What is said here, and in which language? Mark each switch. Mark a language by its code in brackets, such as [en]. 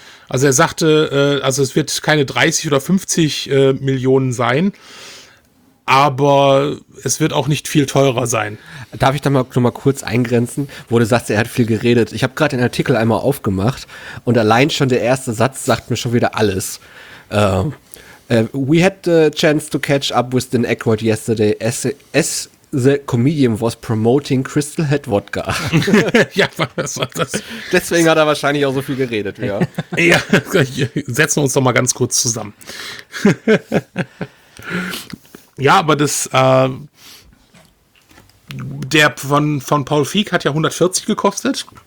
[de] Also er sagte, also es wird keine 30 oder 50 Millionen sein, aber es wird auch nicht viel teurer sein. Darf ich da mal noch mal kurz eingrenzen, wo du sagst, er hat viel geredet. Ich habe gerade den Artikel einmal aufgemacht und allein schon der erste Satz sagt mir schon wieder alles. [en] We had the chance to catch up with Dan Aykroyd yesterday as the comedian was promoting Crystal Head Vodka. [de] Ja, was war das? Deswegen hat er wahrscheinlich auch so viel geredet. Ja, ja, setzen wir uns doch mal ganz kurz zusammen. Ja, aber das, der von Paul Feig hat ja 140 gekostet.